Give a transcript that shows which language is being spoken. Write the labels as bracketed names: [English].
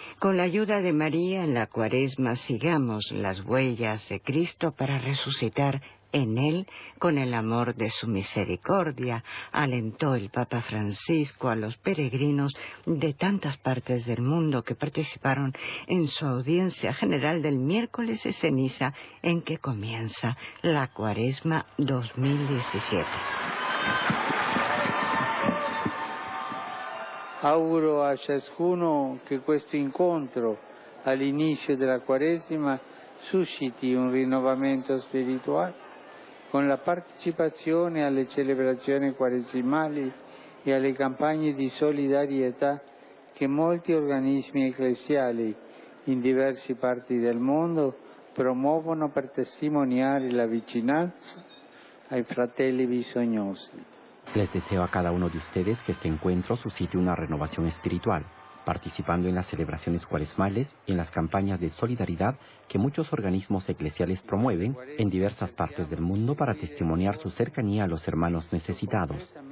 [Spanish] Con la ayuda de María en la Cuaresma sigamos las huellas de Cristo para resucitar en Él con el amor de su misericordia, alentó el Papa Francisco a los peregrinos de tantas partes del mundo que participaron en su audiencia general del miércoles de ceniza en que comienza la Cuaresma 2017. [Italian] Auguro a ciascuno que questo incontro [Spanish] al inicio de la Cuaresma [Italian] susciti un rinnovamento spirituale con la partecipazione alle celebrazioni quaresimali e alle campagne di solidarietà che molti organismi ecclesiali in diverse parti del mondo promuovono per testimoniare la vicinanza ai fratelli bisognosi. [Spanish] Les deseo a cada uno de ustedes que este encuentro suscite una renovación espiritual, participando en las celebraciones cuaresmales y en las campañas de solidaridad que muchos organismos eclesiales promueven en diversas partes del mundo para testimoniar su cercanía a los hermanos necesitados.